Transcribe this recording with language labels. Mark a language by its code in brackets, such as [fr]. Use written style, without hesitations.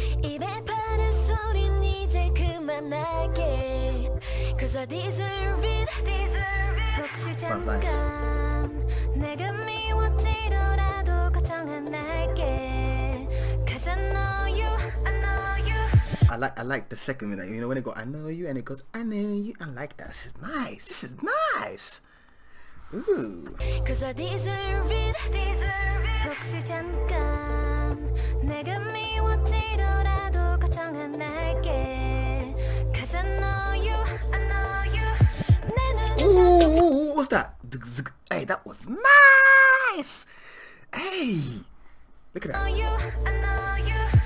[ko] 입에 바른 소린 이제 그만할게. [en] 'Cause I deserve it. Deserve it. [ko] 잠깐 내가 미웠지더라도 걱정 안 할게. [en] 'Cause I know you. I know you. I like the second minute. You know when it goes, I know you, and it goes, I know you. I like that. This is nice. Ooh. 'Cause I deserve it. Deserve it. [ko] 혹시 잠깐. 내가 미웠지더라도 걱정 안 할게. [en] 'Cause I know you, I know you. [ko] 내 눈에서 [en] ooh, what was that? Hey, that was nice. Hey, look at that. 'Cause I know you, I know you.